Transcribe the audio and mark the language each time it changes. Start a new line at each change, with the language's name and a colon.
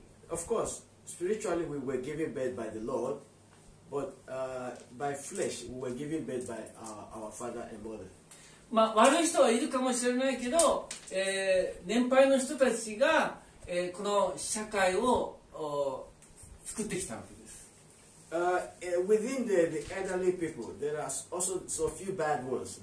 English: Of course, spiritually we were given birth by the Lord. But by flesh, we were given birth by our father and mother.
Japanese: まあ悪い人はいるかもしれないけど、年配の人たちが、この社会を作ってきたわけです。
English: Within the elderly people, there are also so few bad ones.